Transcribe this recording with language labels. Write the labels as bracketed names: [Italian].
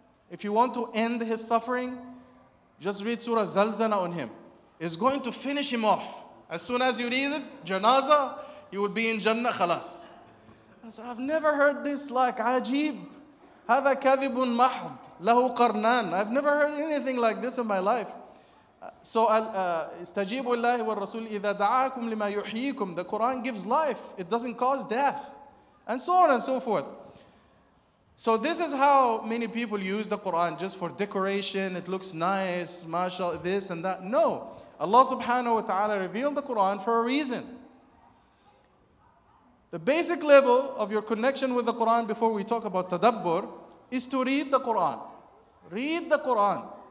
[English] If you want to end his suffering, just read Surah Zalzala on him. It's going to finish him off. As soon as you read it, janaza, you will be in Jannah, khalas." I said, I've never heard this, like, ajeeb. [Arabic] هَذَا كَذِبٌ مَحْدٌ لَهُ قَرْنَانٌ. [English] I've never heard anything like this in my life. So, [Arabic] استجيبوا الله والرسول إذا دعاكم لما يحييكم. [English] The Quran gives life. It doesn't cause death. And so on and so forth. So this is how many people use the Quran, just for decoration. It looks nice, mashallah, this and that. No. Allah subhanahu wa ta'ala revealed the Quran for a reason. The basic level of your connection with the Quran before we talk about tadabbur is to read the Quran. Read the Quran.